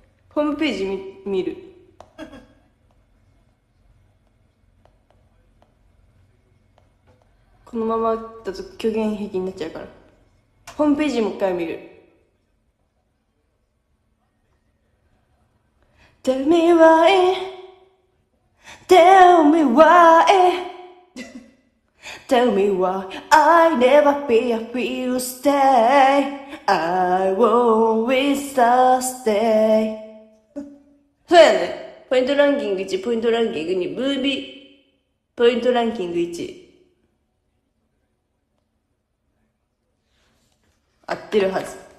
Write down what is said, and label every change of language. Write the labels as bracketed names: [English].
[Japanese] ホームページ見る。このままだと虚言癖になっちゃうから、ホームページもう一回見る。 [English] Tell me why, tell me why, tell me why I never feel free to stay, I always stay. [Japanese] そうやね。ポイントランキング1、ポイントランキング2、ムービー、ポイントランキング1。合ってるはず。